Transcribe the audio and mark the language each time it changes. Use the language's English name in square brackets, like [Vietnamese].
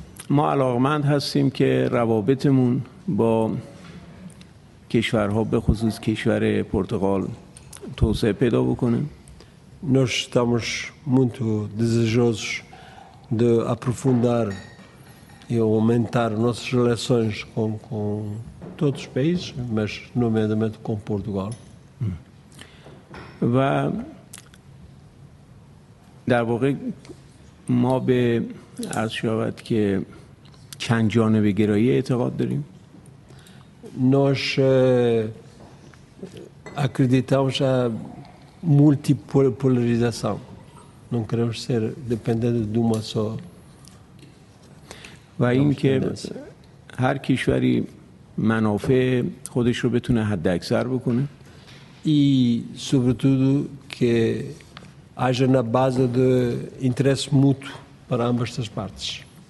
[Persian] ما علاقمند هستیم که روابطمون با کشورها به خصوص کشور پرتغال توسعه پیدا بکنه. [Portuguese] Nós estamos muito desejosos de aprofundar e aumentar nossas relações com todos os países, mas nomeadamente com Portugal. [Persian] و در واقع ما به عرض شود که چند جانبه گرایی اعتقاد داریم. [Portuguese] Nós acreditamos a multipolarização. Não queremos ser dependente de uma só. [Persian] و این که هر کشوری منافع خودش رو بتونه حداکثر بکنه. [Portuguese] E sobretudo que haja na base de interesse mútuo para ambas as partes.